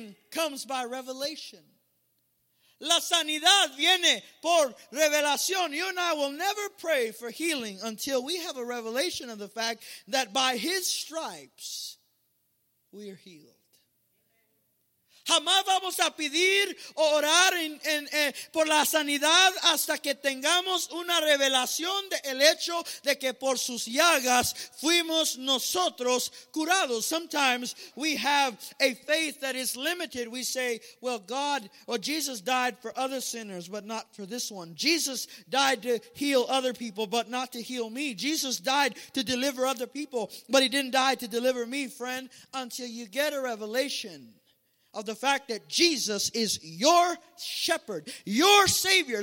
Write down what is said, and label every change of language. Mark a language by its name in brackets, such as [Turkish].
[English] comes by revelation. [Spanish] La sanidad viene por revelación. [English] You and I will never pray for healing until we have a revelation of the fact that by His stripes we are healed. [Spanish] Jamás vamos a pedir o orar por la sanidad hasta que tengamos una revelación del hecho de que por sus llagas fuimos nosotros curados. [English] Sometimes we have a faith that is limited. We say, well, God or Jesus died for other sinners, but not for this one. Jesus died to heal other people, but not to heal me. Jesus died to deliver other people, but He didn't die to deliver me, friend, until you get a revelation of the fact that Jesus is your shepherd, your Savior.